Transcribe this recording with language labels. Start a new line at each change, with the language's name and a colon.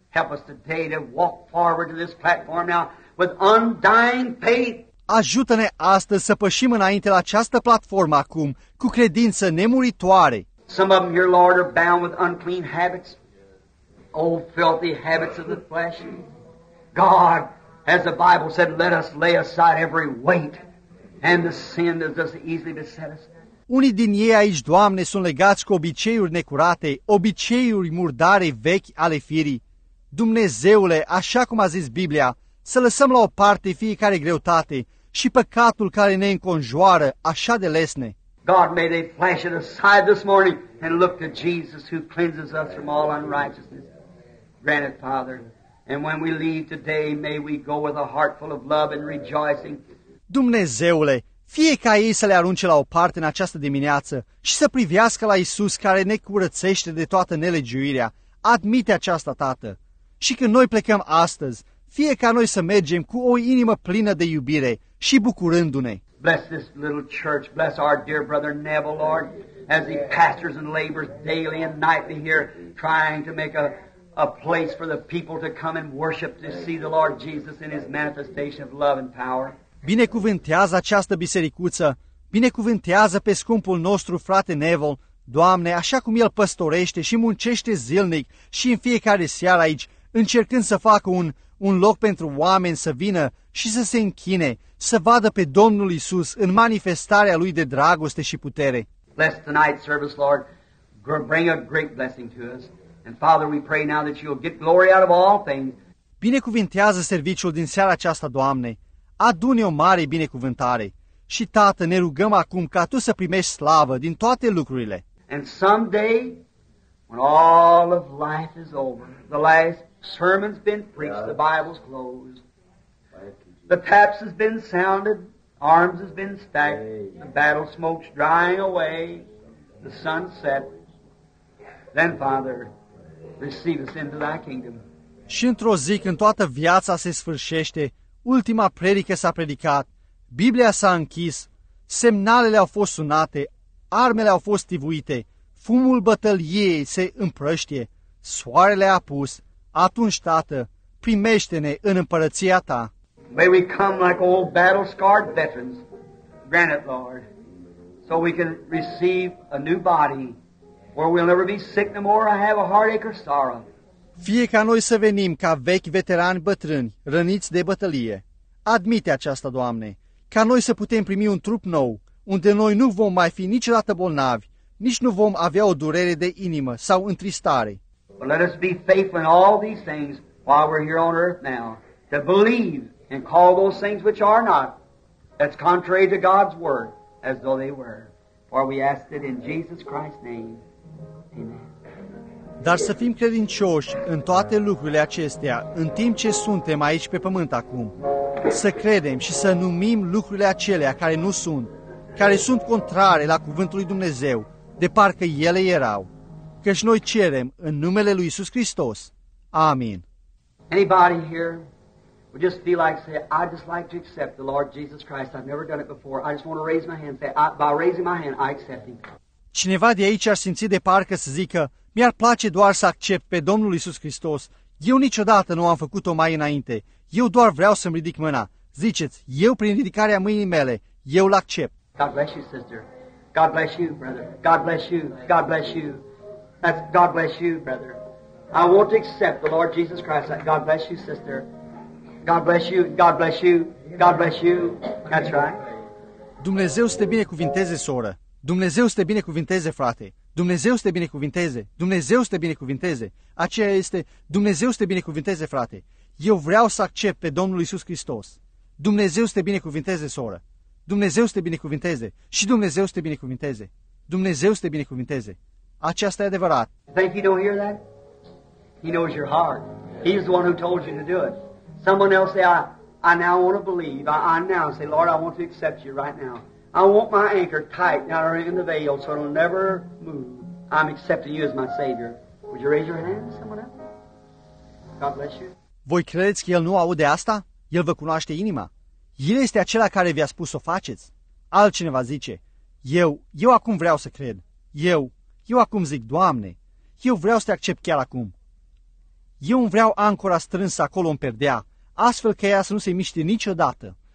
English: Help us today to walk forward to this platform now with undying faith.
Romanian: Ajută-ne astăzi să pășim înainte la această platformă acum, cu credință nemuritoare.
English: Some of them here, Lord, are bound with unclean habits, old filthy habits of the flesh. God, as the Bible said, let us lay aside every weight and the sin that does easily beset us.
Romanian: Unii din ei aici, Doamne, sunt legați cu obiceiuri necurate, obiceiuri murdare vechi ale firii. Dumnezeule, așa cum a zis Biblia, să lăsăm la o parte fiecare greutate și păcatul care ne înconjoară așa de lesne.
English: God, may they flash it aside this morning and look to Jesus who cleanses us from all unrighteousness. Grant it, Father. And when we leave today, may we go with a heart full of love and rejoicing.
Romanian: Dumnezeule, fie ca ei să le arunce la o parte în această dimineață și să privească la Iisus care ne curățește de toată nelegiuirea. Admite aceasta, Tată. Și când noi plecăm astăzi, fie ca noi să mergem cu o inimă plină de iubire și bucurându-ne.
English: Bless this little church. Bless our dear brother Neville, Lord, as he pastors and labors daily and nightly here, trying to make a place for the people to come and worship to see the Lord Jesus in his manifestation of love and power.
Romanian: Binecuvântează această bisericuță, binecuvântează pe scumpul nostru frate Neville, Doamne, așa cum el păstorește și muncește zilnic și în fiecare seară aici, încercând să facă un loc pentru oameni să vină și să se închine, să vadă pe Domnul Iisus în manifestarea Lui de dragoste și putere.
English: Bless tonight's service, Lord. Bring a great blessing to us. And Father, we pray now that You'll get glory out of all things.
Romanian: Binecuvintează serviciul din seara aceasta, Doamne. Adune o mare binecuvântare. Și Tată, ne rugăm acum ca Tu să primești slavă din toate lucrurile.
English: And someday, when all of life is over, the last sermon's been preached, the Bible's closed, the taps has been sounded, arms has been stacked, the battle smoke's drying away, the sun set. Then, Father, receive us into Thy kingdom.
Romanian: Și într-o zi când toată viața se sfârșește, ultima predică s-a predicat, Biblia s-a închis, semnalele au fost sunate, armele au fost tivuite, fumul bătăliei se împrăștie, soarele a apus. Atunci, Tată, primește-ne în împărăția Ta.
English: May we come like old battle-scarred veterans, grant it, Lord, so we can receive a new body where we'll never be sick no more or have a heartache or sorrow.
Romanian: Fie ca noi să venim ca vechi veterani bătrâni, răniți de bătălie. Admite aceasta, Doamne, ca noi să putem primi un trup nou, unde noi nu vom mai fi niciodată bolnavi, nici nu vom avea o durere de inimă sau întristare.
English: But let us be faithful in all these things while we're here on earth now, to believe and call those things which are not, that's contrary to God's word, as though they were. For we ask it in Jesus Christ's name. Amen.
Romanian: Dar să fim credincioși în toate lucrurile acestea, în timp ce suntem aici pe pământ acum. Să credem și să numim lucrurile acelea care nu sunt, care sunt contrare la cuvântul lui Dumnezeu, de parcă ele erau. Căci noi cerem în numele lui Iisus Hristos. Amin.
English: Anybody here would just feel like say, I'd just like to accept the Lord Jesus Christ. I've never done it before. I just want to raise my hand. Say, by raising my hand, I accept him.
Romanian: Cineva de aici ar simți de parcă să zică, mi-ar place doar să accept pe Domnul Iisus Hristos. Eu niciodată nu am făcut-o mai înainte. Eu doar vreau să-mi ridic mâna. Ziceți, eu prin ridicarea mâinii mele, eu l-accept.
English: God bless you, sister. God bless you, brother. God bless you. God bless you. That's God bless you, brother. I want to accept the Lord Jesus Christ. God bless you, sister. God bless you. God bless you. God bless you. That's right.
Romanian: Dumnezeu să te binecuvinteze, soră. Dumnezeu să te binecuvinteze, frate. Dumnezeu să te binecuvinteze. Dumnezeu să te binecuvinteze. Aceea este Dumnezeu să te binecuvinteze, frate. Eu vreau să accept pe Domnul Iisus Hristos. Dumnezeu să te binecuvinteze, soră. Dumnezeu să te binecuvinteze. Și Dumnezeu să te binecuvinteze. Dumnezeu să te binecuvinteze. Aceasta e adevărat.
English: Think you don't hear that? He knows your heart. He's the one who told you to do it. Someone else say, I now want to believe. I now say, Lord, I want to accept you right now. I want my anchor tight now in the veil so it'll never move. I'm accepting you as my Savior. Would you raise your hand, someone else? God bless you.
Romanian: Voi credeți că El nu aude asta? El vă cunoaște inima. El este acela care vi-a spus să o faceți. Altcineva zice, eu acum vreau să cred. Eu acum zic, Doamne, eu vreau să te accept chiar acum. Eu îmi vreau ancora strânsă acolo în perdea, astfel că ea să nu se miște niciodată.